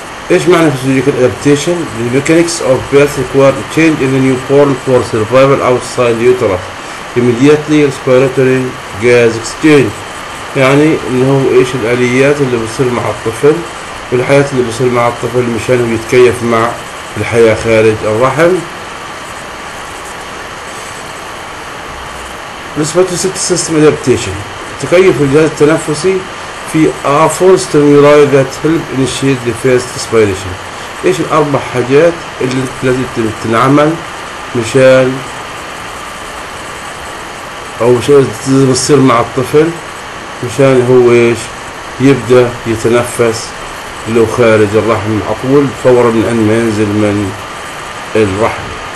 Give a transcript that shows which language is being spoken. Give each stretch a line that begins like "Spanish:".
Arabic: إيش معنى
English: Physiological Adaptation؟ The mechanics of birth require change in the newborn for survival outside the uterus. Immediately respiratory gas exchange،
Arabic: يعني انه ايش الاليات اللي بصير مع الطفل والحياة اللي بصير مع الطفل مشان يتكيف مع الحياة خارج الرحم.
English: respiratory system adaptation،
Arabic: تكيف الجهاز التنفسي في
English: four stimuli that help initiate the first respiration.
Arabic: ايش الاربع حاجات اللي لازم تنعمل مشان أو شيء بصير مع الطفل مشان هو إيش يبدأ يتنفس لو خارج الرحم عقول فورا من عند ما ينزل من الرحم.